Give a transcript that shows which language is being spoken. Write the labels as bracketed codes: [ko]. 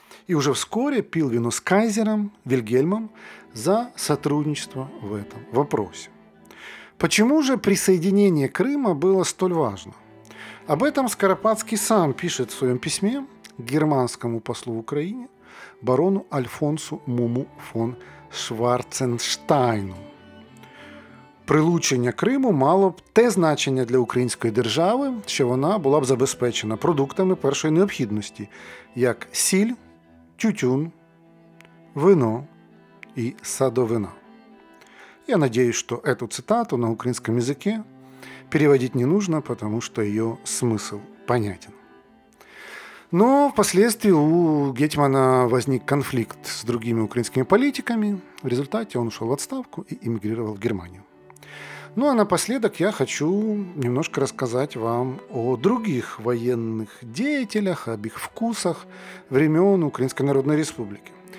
[ru] И уже вскоре пил вино с кайзером Вильгельмом за сотрудничество в этом вопросе. Почему же присоединение Крыма было столь важно? Об этом Скоропадский сам пишет в своем письме германскому послу в Украине барону Альфонсу Муму фон Шварценштайну. [uk] Прилучення Криму мало б те значення для української держави, що вона була б забезпечена продуктами першої необхідності, як сіль, тютюн, вино і садовина. Я надіюсь, що цю цитату на українському язикі переводити не потрібно, тому що її смисл понятен. [ru] Но впоследствии у гетьмана возник конфликт с другими украинскими политиками. В результате он ушел в отставку и эмигрировал в Германию. Ну а напоследок я хочу немножко рассказать вам о других военных деятелях, об их вкусах времен Украинской Народной Республики.